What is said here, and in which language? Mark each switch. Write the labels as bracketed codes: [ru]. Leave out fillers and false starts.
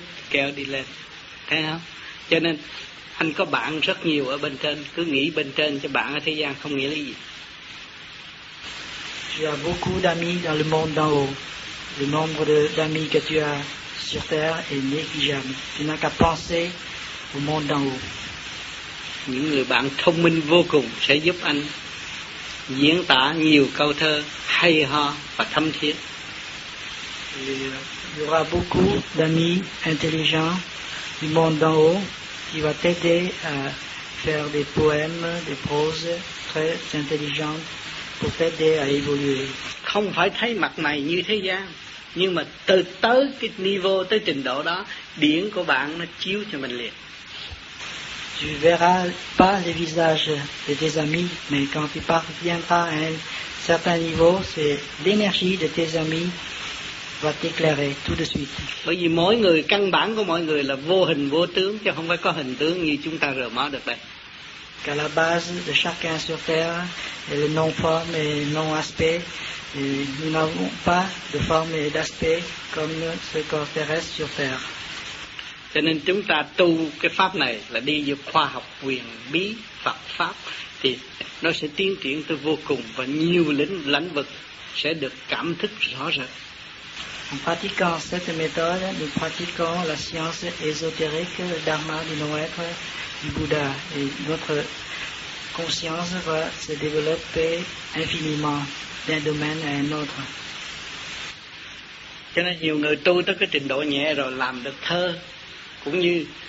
[vi] Kéo đi lên, thấy không? Cho nên anh có bạn rất nhiều ở bên trên, cứ nghĩ bên trên cho bạn ở thế gian không nghĩa là gì. [fr] Tu as beaucoup d'amis dans le monde d'en haut. Le nombre d'amis que tu as sur terre est négligeable. Tu n'as qu'à penser au monde d'en haut. [vi] Những người bạn thông minh vô cùng sẽ giúp anh diễn tả nhiều câu thơ hay ho và thâm thiết. [fr] Il y aura beaucoup d'amis intelligents du monde d'en haut qui va t'aider à faire des poèmes, des proses très intelligentes pour t'aider à évoluer. [vi] Không phải thấy mặt này như thế gian, nhưng mà từ tới cái niveau, tới trình độ đó, điển của bạn nó chiếu cho mình liền. [fr] Tu verras pas les visages de tes amis, mais quand tu parviendras à un certain niveau, c'est l'énergie de tes amis va t'éclairer tout de suite. [vi] Bởi vì mỗi người, căn bản của mọi người là vô hình vô tướng, chứ không phải có hình tướng như chúng ta rờ mó được đây. [fr] Car la base de chacun sur terre est le non-forme et non-aspect. Nous n'avons pas de forme et d'aspect comme ce corps terrestre sur terre. [vi] Cho nên chúng ta tu cái pháp này là đi vô khoa học quyền bí Phật pháp, thì nó sẽ tiến triển tới vô cùng và nhiều lĩnh vực sẽ được cảm thức rõ rệt. [fr] En pratiquant cette méthode, nous pratiquons la science ésotérique, le dharma du non-être du Bouddha, et notre conscience va se développer infiniment d'un domaine à un autre. [vi] Cho nên nhiều người tu tới cái trình độ nhẹ rồi làm được thơ, cũng như